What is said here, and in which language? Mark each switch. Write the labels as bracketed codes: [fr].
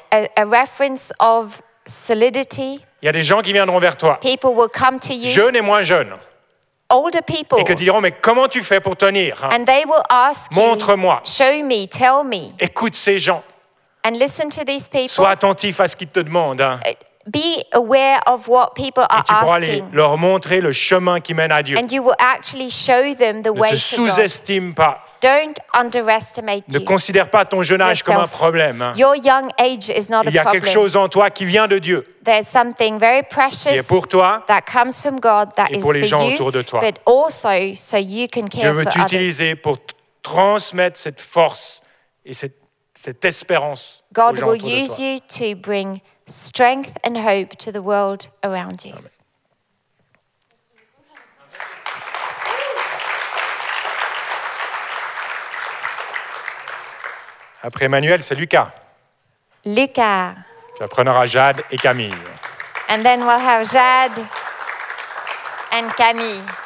[en] A reference of solidity. [fr] Il y a des gens qui viendront vers toi. [en] People will come to you. [fr] Jeunes et moins jeunes. [en] Older people. [fr] Et que diront, mais comment tu fais pour tenir? [en] Hein? And they will ask. [fr] Montre-moi. [en] You, show me. Tell me. [fr] Écoute ces gens. [en] And listen to these people. [fr] Sois attentif à ce qu'ils te demandent. Hein? [en] Be aware of what people are asking. [fr] Et tu pourras aller leur montrer le chemin qui mène à Dieu. [en] And you will actually show them the way to God. [fr] Ne te sous-estime pas. [en] Don't underestimate you. [fr] Ne considère pas ton jeune âge comme un problème. Hein. [en] Your young age is not a problem. [fr] Il y a quelque chose en toi qui vient de Dieu. [en] There's something very precious [fr] pour toi [en] that comes from God that is for you. [fr] Et pour les gens autour de toi. [en] But also so you can care for [fr] others. Dieu veut t'utiliser pour transmettre cette force et cette espérance aux gens autour de toi. [en] God will use you to bring strength and hope to the world around you. Amen. [fr] Après Emmanuel, c'est Lucas. Lucas. Tu apprendras Jade et Camille. [en] And then we'll have Jade and Camille.